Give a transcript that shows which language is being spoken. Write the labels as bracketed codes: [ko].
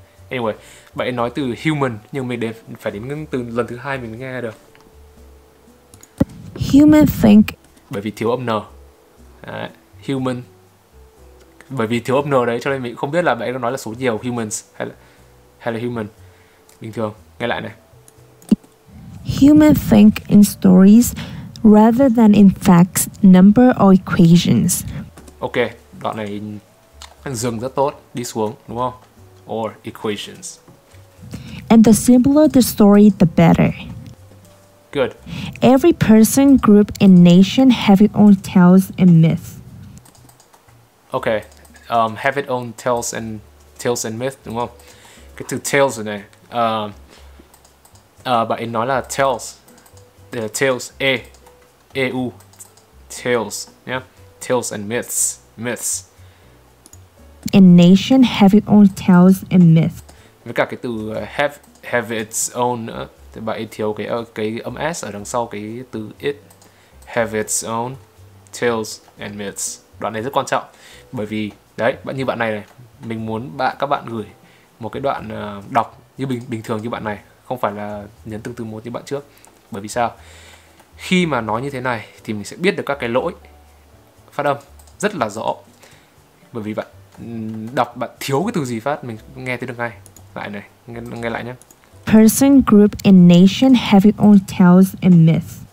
[vi] Anyway, bạn ấy nói từ human nhưng mình phải đến từ lần thứ hai mình nghe được. [en] Human think. [vi] Bởi vì thiếu âm n. Human. Bởi vì thiếu âm n đấy cho nên mình không biết là bạn ấy nói là số nhiều humans hay là human. Bình thường, nghe lại này. [en] Human think in stories rather than in facts, number or equations. [vi] Ok, đoạn này dừng rất tốt, đi xuống, đúng không? [en] Or equations. And the simpler the story, the better. Good. Every person, group, and nation have its own tales and myths. Ok, have its own tales and myths, [vi] đúng không? Cái từ tales này, bạn ấy nói là tales, tales, e u, tales, yeah, [en] tales and myths. Myths. A nation have its own tales and myths. [vi] Với cả cái từ [en] have its own [vi] nữa, thì bạn ấy thiếu cái âm s ở đằng sau cái từ it. [en] Have its own tales and myths. [vi] Đoạn này rất quan trọng, bởi vì đấy, bạn như bạn này này, mình muốn các bạn gửi một cái đoạn đọc như bình thường như bạn này, không phải là nhấn từng từ một như bạn trước. Bởi vì sao? Khi mà nói như thế này thì mình sẽ biết được các cái lỗi phát âm rất là rõ. Bởi vì bạn đọc bạn thiếu cái từ gì phát mình nghe thấy được ngay. Lại này, nghe lại nhé. [en] Person, group and nation have its own tales and myths.